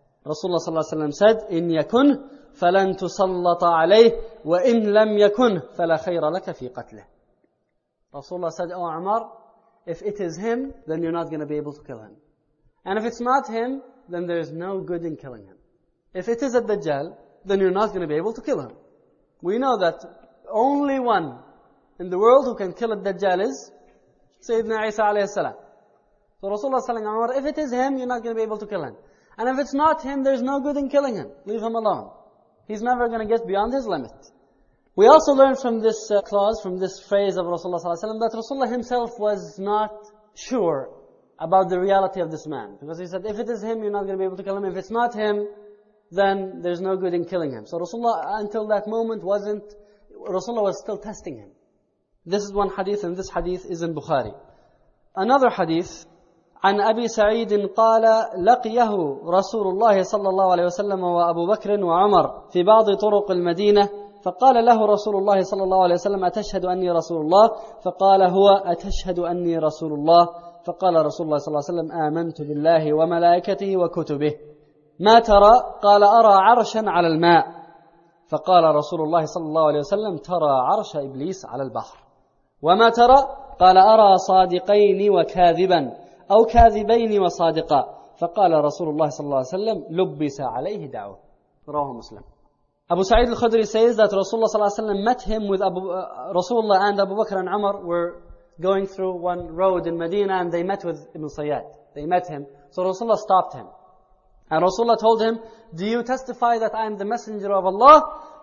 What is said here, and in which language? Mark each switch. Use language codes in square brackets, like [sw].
[ar] Rasulullah sallallahu alayhi wa sallam said, إِنْ يَكُنْ فَلَنْ تُسَلَّطَ عَلَيْهِ وَإِنْ لَمْ يَكُنْ فَلَا خَيْرَ لَكَ فِي قَتْلِهِ. [en] Rasulullah said, O Umar, if it is him, then you're not going to be able to kill him. And if it's not him, then there is no good in killing him. If it is a Dajjal, then you're not going to be able to kill him. We know that only one in the world who can kill a Dajjal is Sayyidina Isa alayhi salam. So Rasulullah sallallahu alayhi wa sallam, if it is him, you're not going to be able to kill him. And if it's not him, there's no good in killing him. Leave him alone. He's never going to get beyond his limit. We also learn from this clause, from this phrase of Rasulullah sallallahu alayhi wa sallam, that Rasulullah himself was not sure about the reality of this man. Because he said, if it is him, you're not going to be able to kill him. If it's not him, then there's no good in killing him. So Rasulullah, until that moment, Rasulullah was still testing him. This is one hadith, and this hadith is in Bukhari. [ar] Another hadith, عن أبي سعيد قال لقيه رسول الله صلى الله عليه وسلم وأبو بكر وعمر في بعض طرق المدينة فقال له رسول الله صلى الله عليه وسلم أتشهد أني رسول الله فقال هو أتشهد أني رسول الله فقال رسول الله صلى الله عليه وسلم آمنت بالله وملائكته وكتبه ما ترى قال أرى عرشا على الماء فقال رسول الله صلى الله عليه وسلم ترى عرش إبليس على البحر وما ترى قال أرى صادقين وكاذبا أو كاذبين وصادقا فقال رسول الله صلى الله عليه وسلم لبس عليه دعوة رواه مسلم. [en] Abu Sa'id al-Khudri says that Rasulullah صلى الله عليه وسلم met him with Rasulullah and Abu Bakr and Umar were going through one road in Medina and they met with Ibn Sayyad. They met him. So Rasulullah stopped him. And Rasulullah told him, do you testify that I am the messenger of Allah?